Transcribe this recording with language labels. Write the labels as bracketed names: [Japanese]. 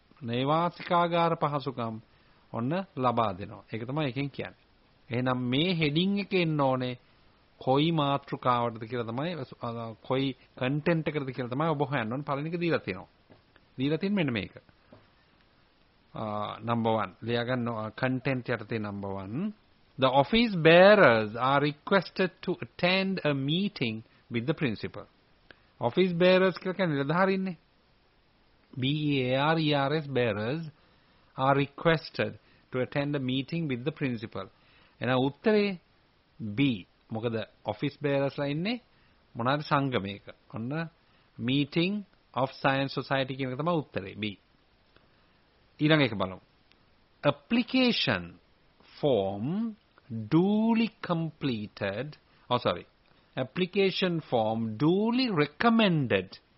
[Sinhala] නේවාසිකාගාර පහසුකම් ඔන්න ලබා දෙනවා. ඒක තමයි එකෙන් කියන්නේ. එහෙනම් මේ හෙඩින් එක එන්න ඕනේ කොයි මාතෘකාවටද කියලා තමයි, කොයි කන්ටෙන්ට් එකටද කියලා තමයි ඔබ හොයන්න ඕනේ. පළවෙනි එක දීලා තියෙනවා. දීලා තියෙන මෙන්න මේක. Number 1. ලියා ගන්න content යටතේ number 1. [English] The office bearers are requested to attend a meeting with the principal. [Sinhala] Office බේරර්ස් කියලා කියන්නේ නිලධාරීන්නේ. [English] BEARERS bearers are requested to attend a meeting with the principal. [Sinhala] එහෙනම් උත්තරේ B. මොකද ඔෆිස් බේරර්ස්ලා ඉන්නේ මොනවාද සංගමයක. ඔන්න [English] meeting of science society [Sinhala] කියන එක තමයි උත්තරේ B. ඊළඟ එක බලමු. [English] Application form duly completed. Oh sorry. Application form duly recommended.